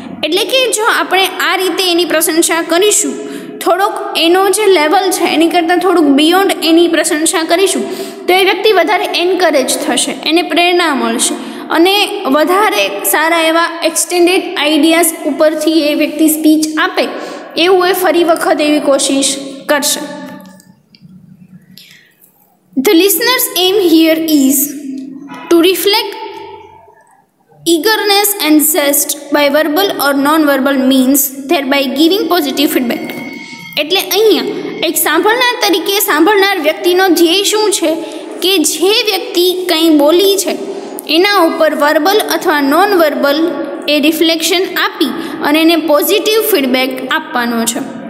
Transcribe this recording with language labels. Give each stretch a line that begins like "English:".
Gujarati: એટલે કે જો આપણે આ રીતે એની પ્રશંસા કરીશું, થોડોક એનો જે લેવલ છે એની કરતાં થોડુંક બિયોન્ડ એની પ્રશંસા કરીશું તો એ વ્યક્તિ વધારે એન્કરેજ થશે, એને પ્રેરણા મળશે અને વધારે સારા એવા એક્સટેન્ડેડ આઈડિયાઝ ઉપરથી એ વ્યક્તિ સ્પીચ આપે એવું એ ફરી વખત એવી કોશિશ કરશે.
English: The listener's aim here is to reflect eagerness and zest by verbal or non-verbal means, thereby giving positive feedback.
Gujarati: એટલે અહીંયા એક સાંભળનાર તરીકે સાંભળનાર વ્યક્તિનો ધ્યેય શું છે કે જે વ્યક્તિ કંઈ બોલી છે એના ઉપર વર્બલ અથવા નોન વર્બલ એ રિફ્લેક્શન આપી અને એને પોઝિટિવ ફીડબેક આપવાનો છે.